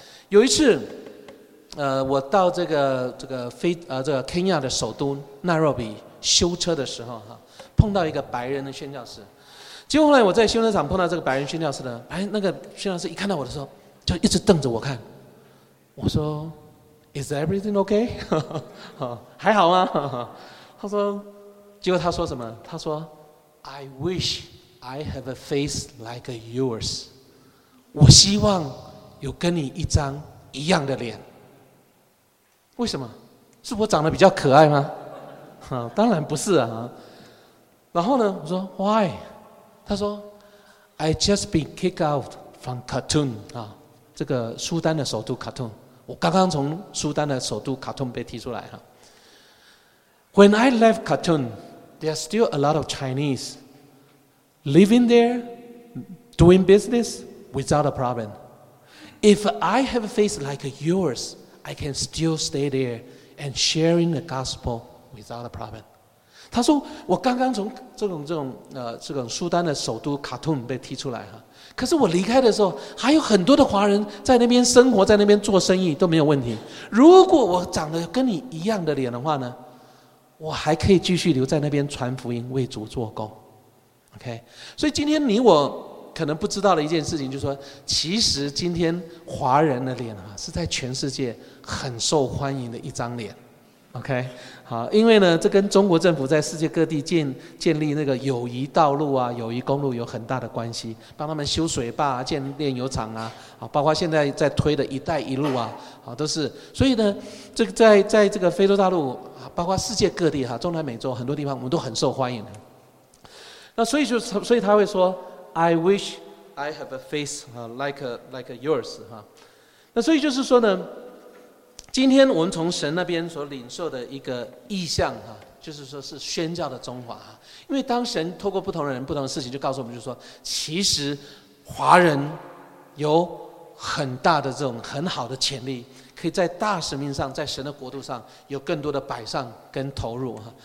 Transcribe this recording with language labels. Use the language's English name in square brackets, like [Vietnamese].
[Chinese] 有一次，我到这个肯亚的首都纳罗比修车的时候哈，碰到一个白人的宣教士。结果后来我在修车场碰到这个白人宣教士呢，哎，那个宣教士一看到我的时候，就一直瞪着我看。我说 [English] Is everything okay? [Chinese] 还好吗？他说，结果他说什么？他说 [English] ，I wish I have a face like yours. [Chinese] 我希望有跟你一张一样的脸。为什么？是我长得比较可爱吗？当然不是啊。然后呢？我说 [English] Why? [Chinese] 他说 [English] ，I just been kicked out from Khartoum [Chinese] 啊，这个苏丹的首都 [English] Khartoum。 [Chinese] 我刚刚从苏丹的首都卡通被踢出来哈。 [English] When I left Khartoum, there are still a lot of Chinese living there, doing business without a problem. If I have a face like yours, I can still stay there and sharing the gospel without a problem. [Chinese] 他说我刚刚从这种苏丹的首都卡通被踢出来哈。可是我离开的时候，还有很多的华人在那边生活，在那边做生意都没有问题。如果我长得跟你一样的脸的话呢，我还可以继续留在那边传福音，为主做工。OK， 所以今天你我可能不知道的一件事情，就是说其实今天华人的脸是在全世界很受欢迎的一张脸。 OK， 好，因为呢这跟中国政府在世界各地 建立那个友谊道路啊、友谊公路有很大的关系，帮他们修水坝、啊、建炼油厂啊，包括现在在推的一带一路啊，都是。所以呢这个 在这个非洲大陆包括世界各地中南美洲很多地方我们都很受欢迎。那所以就所以他会说 [English] I wish I have a face like yours。 [Chinese] 那所以就是说呢，今天我们从神那边所领受的一个意象就是说是宣教的中华。因为当神透过不同的人不同的事情就告诉我们，就是说其实华人有很大的这种很好的潜力，可以在大使命上，在神的国度上有更多的摆上跟投入。